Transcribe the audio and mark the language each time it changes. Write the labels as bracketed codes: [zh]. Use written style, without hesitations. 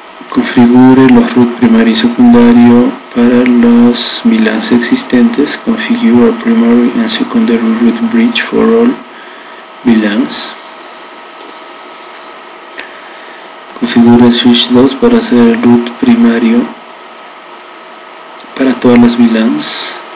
[es] Configure los root primario y secundario para los VLANs existentes. [en] Configure primary and secondary root bridge for all VLANs. [es] Configure switch 2 para hacer el root primario para todas las VLANs.